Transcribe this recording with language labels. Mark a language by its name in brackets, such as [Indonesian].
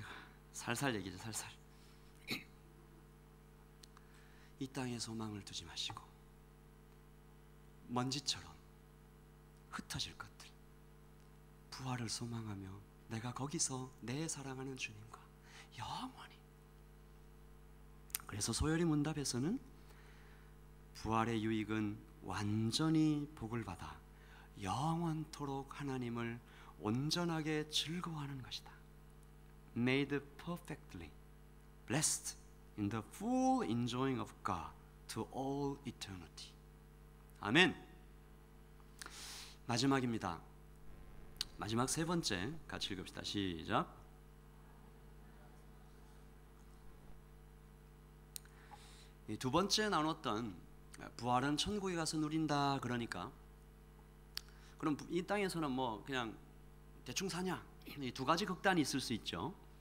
[Korean] 제가 살살 얘기죠. 살살 이 땅에 소망을 두지 마시고 먼지처럼 흩어질 것들, 부활을 소망하며 내가 거기서 내 사랑하는 주님과 영원히, 그래서 소열이 문답에서는 부활의 유익은 완전히 복을 받아 영원토록 하나님을 온전하게 즐거워하는 것이다. [English] Made perfectly blessed in the full enjoying of God to all eternity. [Korean] 아멘. 마지막입니다. 마지막 세 번째 같이 읽읍시다. 시작. 이 두 번째 나눴던 부활은 천국에 가서 누린다, 그러니까 그럼 이 땅에서는 뭐 그냥 대충 사냐, 이 두 가지 극단이 있을 수 있죠.